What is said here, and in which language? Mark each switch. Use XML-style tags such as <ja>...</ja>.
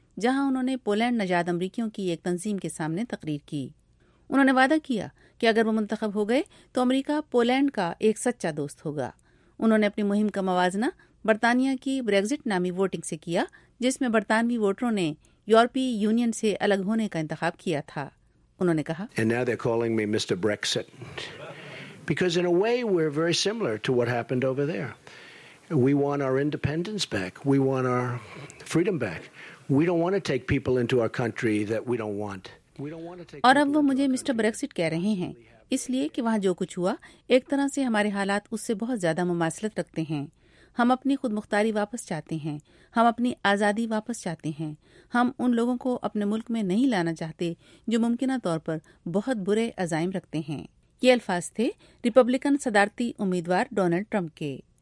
<ur>جہاں انہوں نے پولینڈ نجات امریکیوں کی ایک تنظیم کے سامنے تقریر کی۔ انہوں نے وعدہ کیا کہ اگر وہ منتخب ہو گئے تو امریکہ پولینڈ کا ایک سچا دوست ہوگا۔ انہوں نے اپنی مہم کا موازنہ برطانیہ کی بریگزٹ نامی ووٹنگ سے کیا، جس میں برطانوی ووٹروں نے یورپی یونین سے الگ ہونے کا انتخاب کیا تھا۔ انہوں نے کہا،</ur> <en>And now they're calling me Mr. Brexit. Because in a way we're very similar to what happened over there. We want our independence back. We want our freedom back. We don't want to take people into our country that we don't want.</en> <ur>اور اب وہ مجھے mister Brexit کہہ رہے ہیں، اس لیے کہ وہاں جو کچھ ہوا ایک طرح سے ہمارے حالات اس سے بہت زیادہ مماثلت رکھتے ہیں۔ ہم اپنی خود مختاری واپس چاہتے ہیں، ہم اپنی آزادی واپس چاہتے ہیں، ہم ان لوگوں کو اپنے ملک میں نہیں لانا چاہتے جو ممکنہ طور پر بہت برے عزائم رکھتے ہیں۔ یہ الفاظ تھے ریپبلکن صدارتی امیدوار ڈونلڈ ٹرمپ کے۔</ur>